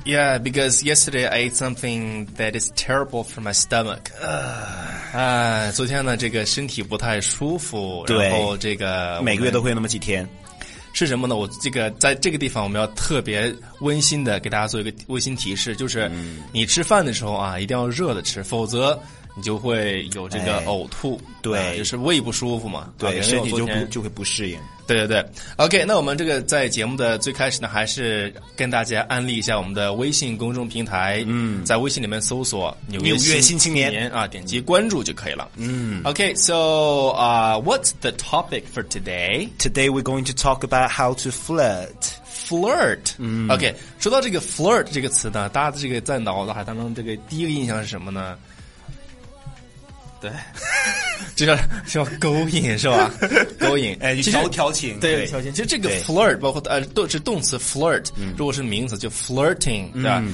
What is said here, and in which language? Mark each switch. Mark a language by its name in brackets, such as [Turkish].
[English] Yeah, because yesterday I ate something that is terrible for my stomach. [Chinese] 昨天呢，这个身体不太舒服。对。然后这个每个月都会那么几天。是什么呢？我这个在这个地方，我们要特别温馨的给大家做一个温馨提示，就是你吃饭的时候啊，一定要热的吃，否则你就会有这个呕吐，哎、对、就是胃不舒服嘛，对，啊、身体就会不适应。对对对 ，OK， 那我们这个在节目的最开始呢，还是跟大家安利一下我们的微信公众平台，在微信里面搜索“ 纽约新青年” 啊，点击关注就可以了。 [English] OK，so what's the topic for today? Today we're going to talk about how to flirt. Flirt. [Chinese] OK， 说到这个 flirt 这个词呢，大家这个在脑海当中这个第一个印象是什么呢？对，这叫勾引是吧？勾引，哎，调情，对，调情。其实这个 flirt 包括都是动词 flirt， 如果是名词就 flirting， 对吧？